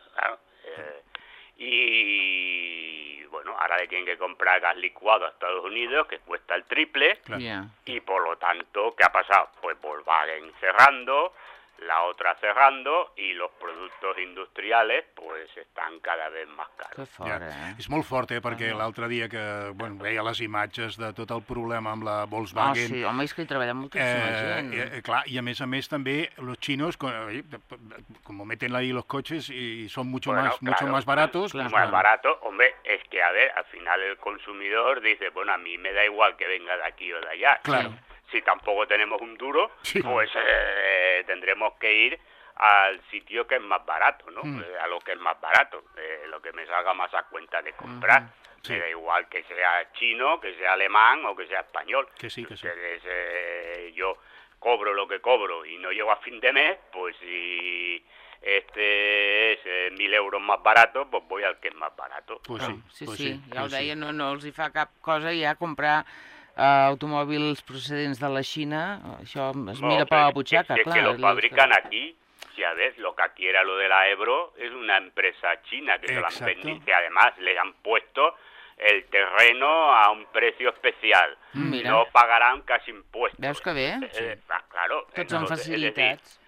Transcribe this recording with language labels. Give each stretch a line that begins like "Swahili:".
Spanish: Claro. Y bueno, ahora le tienen que comprar gas licuado a Estados Unidos, que cuesta el triple, claro. Y por lo tanto, ¿qué ha pasado? Pues Volkswagen cerrando, la otra cerrando, y los productos industriales pues están cada vez más caros.
Catalan: Que fort, ja. És molt fort, perquè l'altre dia que bueno, veia les imatges de tot el problema amb la Volkswagen... Ah, sí, home, és que hi treballa moltíssima gent. Clar, i a més també,
Spanish: los chinos, com meten ahí los coches, y son mucho, bueno, más, claro, mucho más baratos. Claro. Más barato, hombre, es que a ver, al final el consumidor dice, bueno, a mí me da igual que venga de aquí o de allá. Claro. Si tampoco tenemos un duro, sí, pues tendremos que ir al sitio que es más barato, ¿no? A lo que es más barato, lo que me salga más a cuenta de comprar. Sí. Da igual que sea chino, que sea alemán o que sea español. Que sí, que sí. Ustedes, yo cobro lo que cobro y no llego a fin de mes, pues si este es 1.000 euros más barato, pues voy al que es más barato. Pues sí, sí, pues sí.
Catalan: Ya os deia, no els hi fa cap cosa ja comprar automòbils procedents de la Xina, això es mira per la butxaca, clar.
Spanish: Que lo fabrican aquí, si a ver, lo que aquí era lo de la Ebro, es una empresa china que se la han vendido, que además le han puesto el terreno a un precio especial. Mira. No pagarán casi impuestos.
Catalan: Veus que bé?
Spanish: Sí. Claro.
Catalan: Tots han facilitats.